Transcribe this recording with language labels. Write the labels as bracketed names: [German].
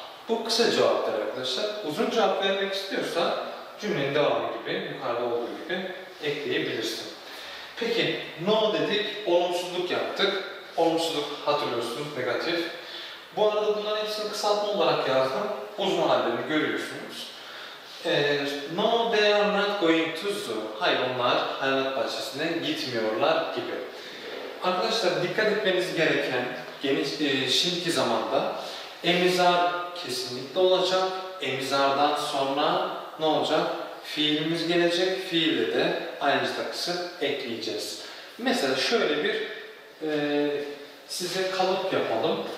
[Turkish] Bu kısa cevaplar arkadaşlar. Uzun cevap vermek istiyorsa cümlenin devamı gibi, yukarıda olduğu gibi ekleyebilirsin. Peki, no dedik, olumsuzluk yaptık. Olumsuzluk hatırlıyorsunuz, negatif. Bu arada bunların hepsini kısaltma olarak yazdım. Uzun hallerini görüyorsunuz. [English] No, they are not going to zoo. [Turkish] Hayır, onlar hayvanat bahçesine gitmiyorlar gibi. Arkadaşlar dikkat etmeniz gereken şimdiki zamanda am/is are kesinlikle olacak. Am/is are'dan sonra ne olacak? Fiilimiz gelecek. Fiile de aynı takısı ekleyeceğiz. Mesela şöyle bir size kalıp yapalım.